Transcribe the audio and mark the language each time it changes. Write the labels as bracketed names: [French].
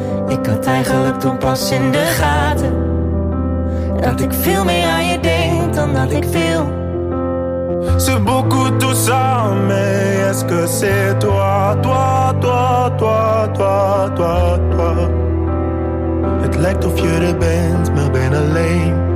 [Dutch] Ik had eigenlijk toen pas in de gaten dat ik veel meer aan je denk dan dat ik wil. [French] C'est beaucoup tout ça, mais est-ce que c'est toi, toi, toi, toi, toi, toi, toi? [Dutch] Het lijkt of je er bent, maar ben alleen.